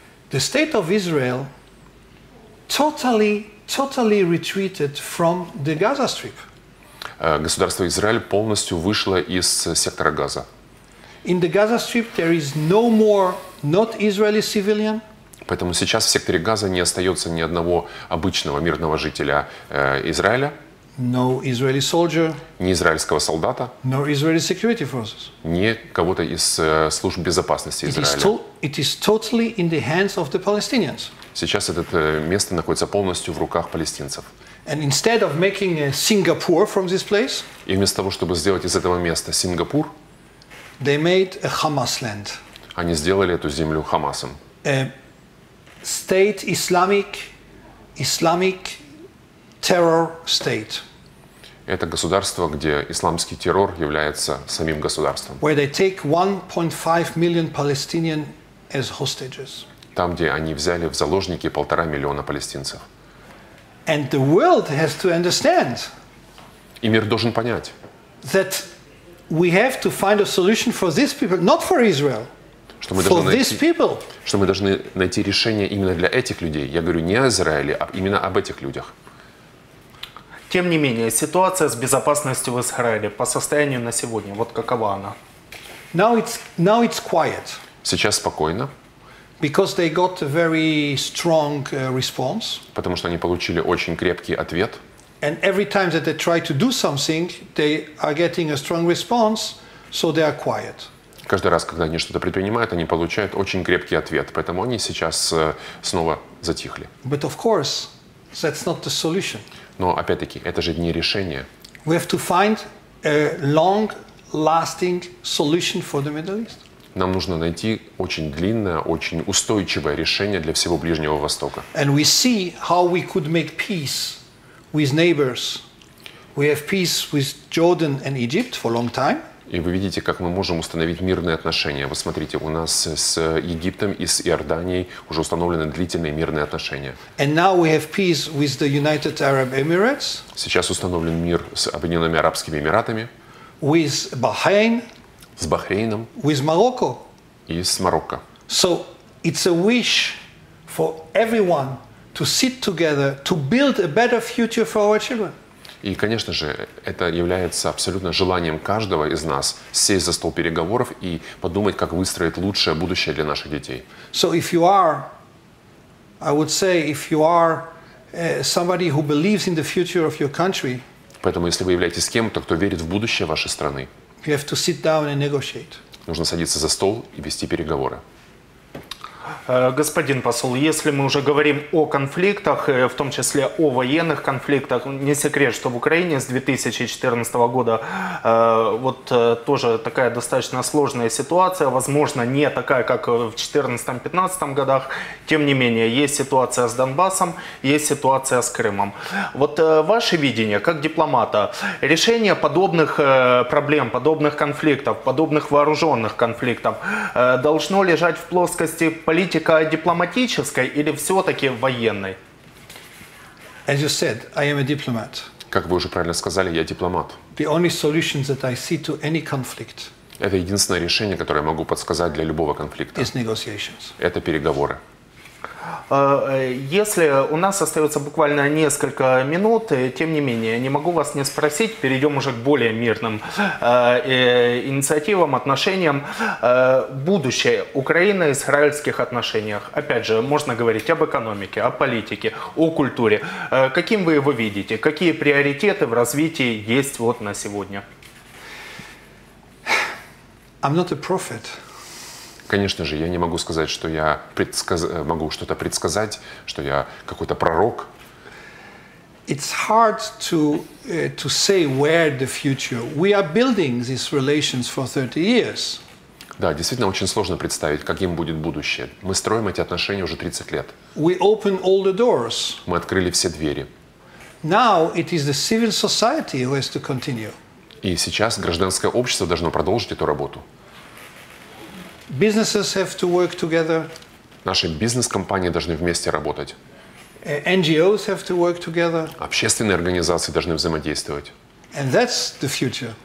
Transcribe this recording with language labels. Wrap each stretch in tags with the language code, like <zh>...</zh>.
<en>the state of Israel totally retreated from the Gaza Strip.</en> <ru>Государство Израиль полностью вышло из сектора Газа.</ru> <en>In the Gaza Strip there is no more not Israeli civilian.</en> <ru>Поэтому сейчас в секторе Газа не остается ни одного обычного мирного жителя Израиля.</ru> <en>No Israeli soldier.</en> <ru>Ни израильского солдата.</ru> <en>No Israeli security forces.</en> <ru>Ни кого-то из служб безопасности Израиля.</ru> <en>It is totally in the hands of the Palestinians.</en> <ru>Сейчас это место находится полностью в руках палестинцев.</ru> <en>And instead of making a Singapore from this place,</en> <ru>и вместо того, чтобы сделать из этого места Сингапур,</ru> <en>they made a Hamas land.</en> <ru>Они сделали эту землю Хамасом.</ru> <en>A state Islamic terror state.</en> <ru>Это государство, где исламский террор является самим государством.</ru> <en>Where they take 1.5 million Palestinian as hostages.</en> <ru>Там, где они взяли в заложники 1.5 миллиона палестинцев.</ru> <en>And the world has to understand.</en> <ru>И мир должен понять.</ru> <en>That we have to find a solution for these people, not for Israel.</en> <ru>Что мы должны найти, что мы должны найти решение именно для этих людей. Я говорю не о Израиле, а именно об этих людях. Тем не менее, ситуация с безопасностью в Израиле по состоянию на сегодня, вот какова она?</ru> <en>Now it's quiet.</en> <ru>Сейчас спокойно.</ru> <en>Because they got a very strong response.</en> <ru>Потому что они получили очень крепкий ответ.</ru> <en>And every time that they try to do something, they are getting a strong response, so they are quiet.</en> <ru>Каждый раз, когда они что-то предпринимают, они получают очень крепкий ответ, поэтому они сейчас снова затихли.</ru> <en>But of course, that's not the solution.</en> <ru>Но опять-таки, это же не решение.</ru> <en>We have to find a long-lasting solution for the Middle East.</en> <ru>Нам нужно найти очень длинное, очень устойчивое решение для всего Ближнего Востока.</ru> <en>And we see how we could make peace with neighbors. We have peace with Jordan and Egypt for a long time.</en> <ru>И вы видите, как мы можем установить мирные отношения. Вот смотрите, у нас с Египтом и с Иорданией уже установлены длительные мирные отношения.</ru> <en>And now we have peace with the United Arab Emirates.</en> <ru>Сейчас установлен мир с Объединенными Арабскими Эмиратами.</ru> <en>With Bahrain.</en> <ru>С Бахрейном.</ru> <en>With Morocco.</en> <ru>И с Марокко.</ru> <en>So it's a wish for everyone to sit together to build a better future for our children.</en> <ru>И, конечно же, это является абсолютно желанием каждого из нас сесть за стол переговоров и подумать, как выстроить лучшее будущее для наших детей.</ru> <en>So if you are, I would say, if you are somebody who believes in the future of your country,</en> <ru>поэтому, если вы являетесь кем-то, кто верит в будущее вашей страны,</ru> <en>you have to sit down and negotiate.</en> <ru>Нужно садиться за стол и вести переговоры. Господин посол, если мы уже говорим о конфликтах, в том числе о военных конфликтах, не секрет, что в Украине с 2014 года вот тоже такая достаточно сложная ситуация, возможно, не такая, как в 2014-2015 годах, тем не менее, есть ситуация с Донбассом, есть ситуация с Крымом. Вот ваше видение, как дипломата, решение подобных проблем, подобных конфликтов, подобных вооруженных конфликтов должно лежать в плоскости политика дипломатической или все-таки военной?</ru> <en>As you said, I am a diplomat.</en> <ru>Как вы уже правильно сказали, я дипломат.</ru> <en>The only solution that I see to any conflict.</en> <ru>Это единственное решение, которое я могу подсказать для любого конфликта.</ru> <en>Is negotiations.</en> <ru>Это переговоры. Если у нас остается буквально несколько минут, тем не менее, не могу вас не спросить, перейдем уже к более мирным инициативам, отношениям. Будущее Украины-израильских отношениях. Опять же, можно говорить об экономике, о политике, о культуре. Каким вы его видите? Какие приоритеты в развитии есть вот на сегодня?</ru> <en>I'm not a prophet.</en> <ru>Конечно же, я не могу сказать, что я могу что-то предсказать, что я какой-то пророк.</ru> <en>It's hard to say where the future. We are building these relations for 30 years.</en> <ru>Да, действительно, очень сложно представить, каким будет будущее. Мы строим эти отношения уже 30 лет.</ru> <en>We open all the doors.</en> <ru>Мы открыли все двери.</ru> <en>Now it is the civil society who has to continue.</en> <ru>И сейчас гражданское общество должно продолжить эту работу.</ru> <en>Businesses have to work together.</en> <ru>Наши бизнес-компании должны вместе работать.</ru> <en>NGOs have to work together.</en> <ru>Общественные организации должны взаимодействовать.</ru> <en>And that's the future.</en>